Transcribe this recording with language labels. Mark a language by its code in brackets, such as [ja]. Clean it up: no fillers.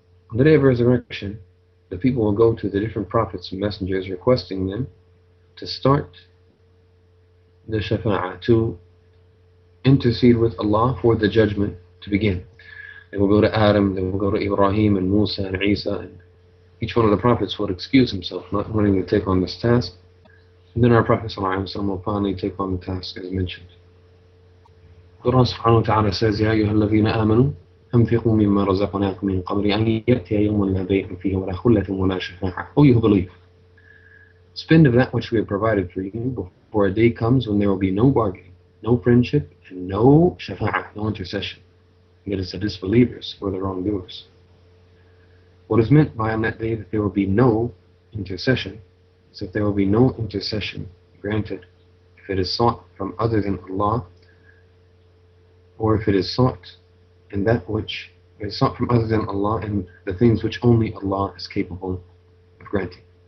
[en] On the day of resurrection, the people will go to the different prophets and messengers requesting them to start the shafa'a, to intercede with Allah for the judgment to begin. They will go to Adam, they will go to Ibrahim and Musa and Isa, and each one of the prophets will excuse himself, not wanting to take on this task. And then our Prophet ﷺ will finally take on the task as mentioned. Allah subhanahu wa ta'ala says, [ar] يَا أَيُّهَا الَّذِينَ آمَنُوا أَنْفِقُوا مِمَّا رَزَقْنَاكُمْ مِنْ قَبْلِ أَنْ يَأْتِيَ يَوْمٌ لَا بَيْعٌ فِيهِ وَلَا خُلَّةٌ وَلَا شَفَاعَةٌ. [en] Oh, you believe. Spend of that which we have provided for you before a day comes when there will be no bargaining, no friendship, and no shafa'a, no intercession. It is the disbelievers or the wrongdoers. What is meant by on that day that there will be no intercession is that there will be no intercession granted if it is sought from other than Allah, or if it is sought in that which is sought from other than Allah and the things which only Allah is capable of granting.